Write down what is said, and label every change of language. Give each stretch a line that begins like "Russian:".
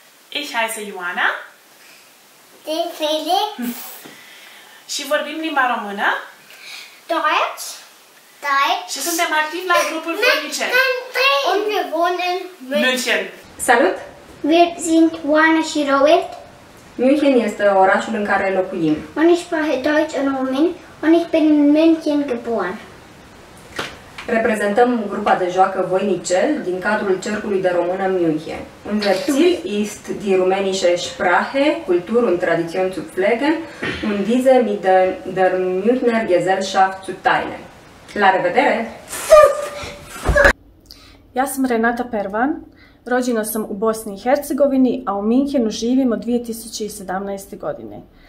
German: Ich heiße Ioana. Den Felix.
Romanian: Și vorbim limba română.
German: Deutsch. Deutsch.
Romanian: Și suntem activi la grupul Fornicel.
German: Und wir wohnen in München.
Romanian: Salut!
German: Wir sind Juana și Robert.
Romanian: München este orașul în care locuim.
German: Und ich spreche Deutsch und Rumän und ich bin in München geboren.
Romanian: Reprezentăm grupa de joacă Voinicel din cadrul Cercului de Română München.
German: Unser Ziel ist die rumänische Sprache, Kultur und Tradition zu pflegen und diese mit der Münchner Gesellschaft zu teilen.
Romanian: La revedere!
Bosnian: Ja sam Renata Pervan, rođena sam u Bosni i Hercegovini, a u Münchenu živim od 2017. godine.